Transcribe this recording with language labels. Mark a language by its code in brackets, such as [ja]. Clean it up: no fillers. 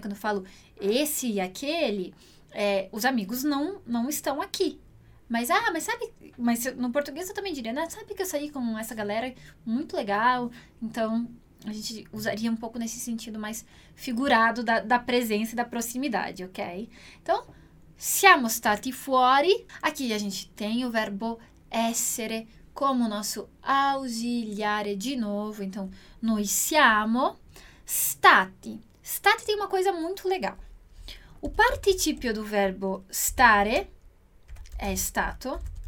[pt] Quando eu falo esse e aquele, os amigos não estão aqui. Mas sabe... Mas no português eu também diria, né? Sabe que eu saí com essa galera muito legal? Então... A gente usaria um pouco nesse sentido mais figurado da presença e da proximidade, ok? [it] Então, siamo stati fuori. [pt] Aqui a gente tem o verbo essere como nosso ausiliare de novo. [it] Então, noi siamo stati. [pt] Stati tem uma coisa muito legal. O participio do verbo stare é stato.